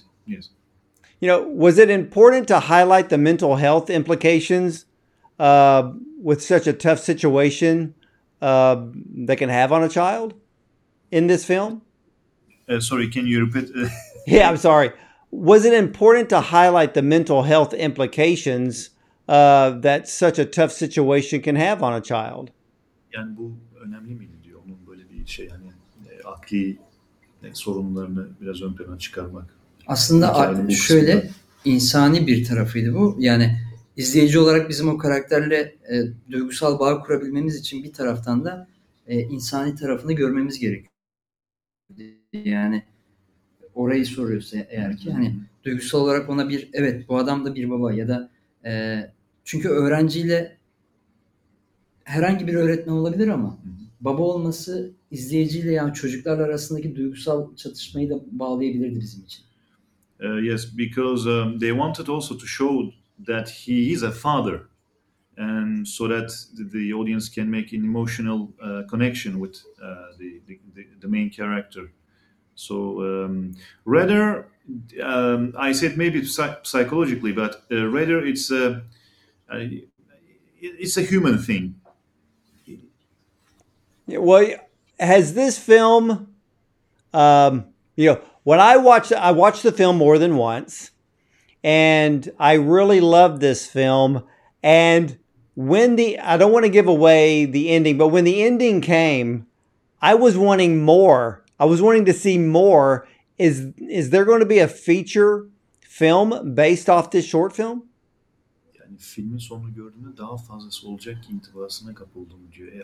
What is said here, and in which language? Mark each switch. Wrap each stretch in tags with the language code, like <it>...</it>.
<en>You know, was it important to highlight the mental health implications with such a tough situation that can have on a child in this film? Sorry, can you repeat? Yeah, I'm sorry. Was it important to highlight the mental health implications that such a tough situation can have on a child?</en> <tr>Yani bu önemli miydi diyor, onun böyle bir şey yani. Akli sorunlarını biraz ön plana çıkarmak. Aslında şöyle insani bir tarafıydı bu. Yani izleyici olarak bizim o karakterle duygusal bağ kurabilmemiz için bir taraftan da insani tarafını görmemiz gerekiyor. Yani orayı soruyorsa eğer ki hani duygusal olarak ona bir evet bu adam da bir baba ya da çünkü öğrenciyle herhangi bir öğretmen olabilir ama baba olması izleyiciyle yani çocuklarla arasındaki duygusal çatışmayı da bağlayabilirdi bizim için.</tr> <en>Yes, because they wanted also to show that he is a father, and so that the audience can make an emotional connection with the main character. So rather, I said maybe psychologically, but rather it's a human thing. Well, has this film, you know, when I watched the film more than once, and I really loved this film. And when I don't want to give away the ending, but when the ending came, I was wanting more. I was wanting to see more. Is there going to be a feature film based off this short film?</en> <tr>Filmin sonunu gördüğünde daha fazlası olacak intibasına kapıldım diyor.</tr>